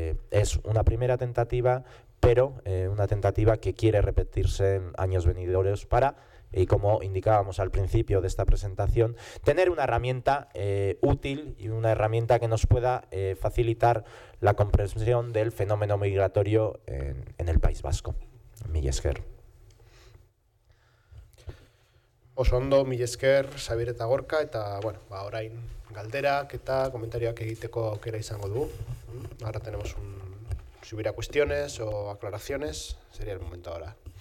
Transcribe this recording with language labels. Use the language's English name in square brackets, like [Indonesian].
[Spanish] es una primera tentativa, pero una tentativa que quiere repetirse en años venideros para, y como indicábamos al principio de esta presentación, tener una herramienta útil y una herramienta que nos pueda facilitar la comprensión del fenómeno migratorio en el País Vasco. [Basque] Millesker. Osondo, millesker, Xabier eta Gorka, eta, bueno, ba, orain galderak eta komentarioak egiteko aukera izango dugu. [Spanish] Ahora tenemos un... Si hubiera cuestiones o aclaraciones, sería el momento ahora.